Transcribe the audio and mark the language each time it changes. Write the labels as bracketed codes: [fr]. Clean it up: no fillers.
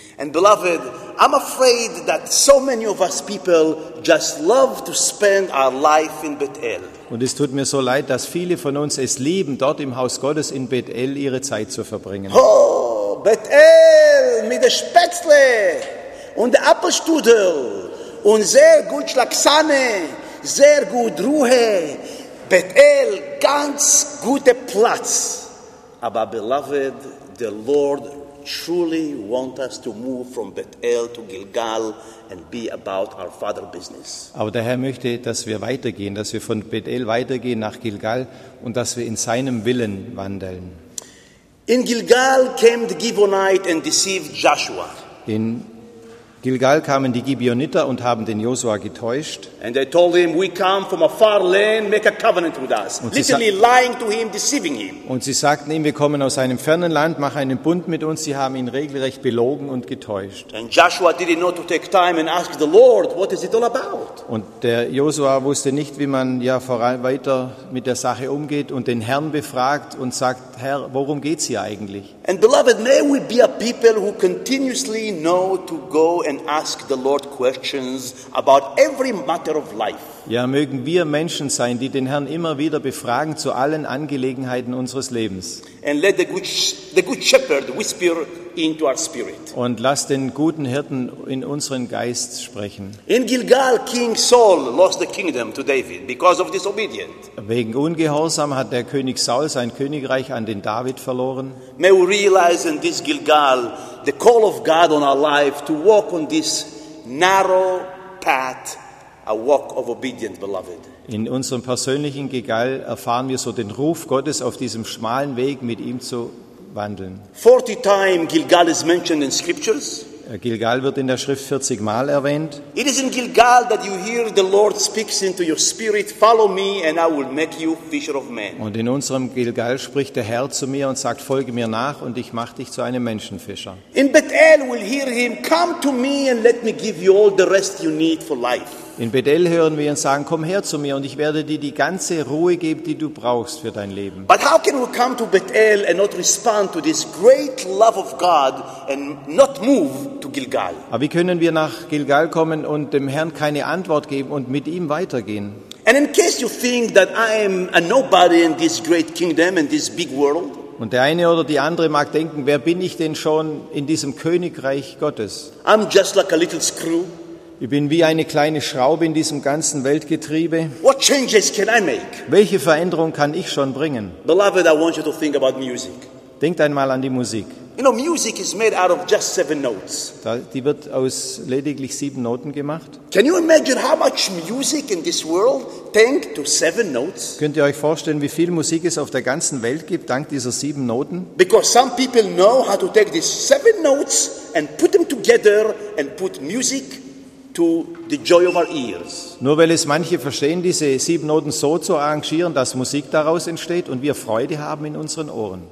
[en] And beloved, I'm afraid that so many of us people just love to spend our life in Bethel. [de] Und es tut mir so leid, dass viele von uns es lieben, dort im Haus Gottes in Bethel ihre Zeit zu verbringen. Oh, Bethel mit der Spätzle und der Apfelstrudel und sehr gut Schlagsahne, sehr gut Ruhe. Bethel, ganz guter Platz. Aber [en] beloved, the Lord truly want us to move from Bethel to Gilgal and be about our father business. [de] Aber der Herr möchte, dass wir weitergehen, dass wir von Bethel weitergehen nach Gilgal und dass wir in seinem Willen wandeln. [en] In Gilgal came the Gibeonite and deceived Joshua. [de] In Gilgal kamen die Gibeoniter und haben den Josua getäuscht. [en] And they told him, we come from a far land, make a covenant with us. Literally lying to him, deceiving him. [de] Und sie sagten ihm, wir kommen aus einem fernen Land, mach einen Bund mit uns. Sie haben ihn regelrecht belogen und getäuscht. [en] And Joshua didn't know to take time and ask the Lord, what is it all about? [de] Und der Josua wusste nicht, wie man ja weiter mit der Sache umgeht und den Herrn befragt und sagt, Herr, worum geht's hier eigentlich? [en] And beloved, may we be a people who continuously know to go and ask the Lord questions about every matter of life. [de] Ja, mögen wir Menschen sein, die den Herrn immer wieder befragen zu allen Angelegenheiten unseres Lebens. [en] And let the good shepherd whisper into our spirit. [de] Und lass den guten Hirten in unseren Geist sprechen. [en] In Gilgal, King Saul lost the kingdom to David because of disobedience. [de] Wegen Ungehorsam hat der König Saul sein Königreich an den David verloren. [en] May we realize in this Gilgal the call of God on our life to walk on this narrow path, a walk of obedience, beloved. [de] In unserem persönlichen Gilgal erfahren wir so den Ruf Gottes, auf diesem schmalen Weg mit ihm zu wandeln. [en] 40 times Gilgal is mentioned in scriptures. [de] Gilgal wird in der Schrift 40 Mal erwähnt. [en] It is in Gilgal that you hear the Lord speaks into your spirit, follow me and I will make you fisher of men. [de] Und in unserem Gilgal spricht der Herr zu mir und sagt, folge mir nach und ich mache dich zu einem Menschenfischer. [en] In Bethel will hear him, come to me and let me give you all the rest you need for life. [de] In Bethel hören wir ihn sagen, komm her zu mir und ich werde dir die ganze Ruhe geben, die du brauchst für dein Leben. [en] But how can we come to Bethel and not respond to this great love of God and not move to Gilgal? [de] Aber wie können wir nach Gilgal kommen und dem Herrn keine Antwort geben und mit ihm weitergehen? [en] And in case you think that I am a nobody in this great kingdom and this big world. [de] Und der eine oder die andere mag denken, wer bin ich denn schon in diesem Königreich Gottes? [en] I'm just like a little screw. [de] Ich bin wie eine kleine Schraube in diesem ganzen Weltgetriebe. [en] What changes can I make? [de] Welche Veränderung kann ich schon bringen? [en] Beloved, I want you to think about music. [de] Denkt einmal an die Musik. [en] You know, music is made out of just 7 notes. [de] Die wird aus lediglich 7 Noten gemacht. [en] Can you imagine how much music in this world thanks to 7 notes? [de] Könnt ihr euch vorstellen, wie viel Musik es auf der ganzen Welt gibt dank dieser 7 Noten? [en] Because some people know how to take these 7 notes and put them together and put music to the joy of our ears. [de] Nur weil es manche verstehen, diese 7 Noten so zu arrangieren, dass Musik daraus entsteht und wir Freude haben in unseren Ohren.